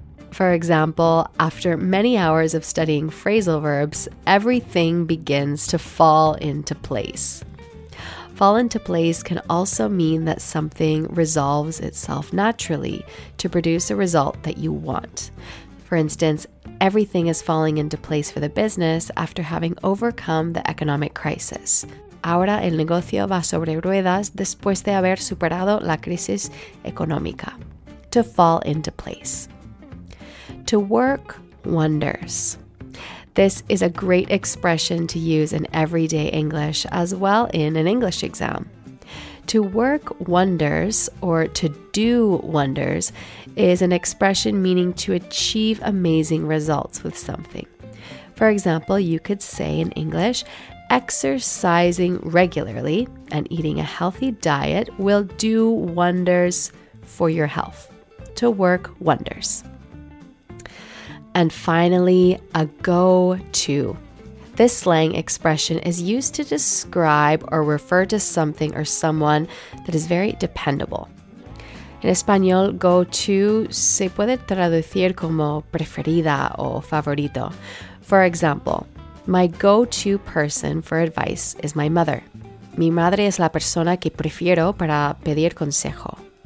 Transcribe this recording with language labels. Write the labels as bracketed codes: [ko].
[en] For example, after many hours of studying phrasal verbs, everything begins to fall into place. Fall into place can also mean that something resolves itself naturally to produce a result that you want. For instance, everything is falling into place for the business after having overcome the economic crisis. [es] Ahora el negocio va sobre ruedas después de haber superado la crisis económica. [en] To fall into place. To work wonders. This is a great expression to use in everyday English as well in an English exam. To work wonders or to do wonders is an expression meaning to achieve amazing results with something. For example, you could say in English, exercising regularly and eating a healthy diet will do wonders for your health. To work wonders. And finally, a go-to. This slang expression is used to describe or refer to something or someone that is very dependable. [es] En español, go-to se puede traducir como preferida o favorito. [en] For example, My go-to person for advice is my mother. [es] Mi madre es la persona que prefiero para pedir consejo.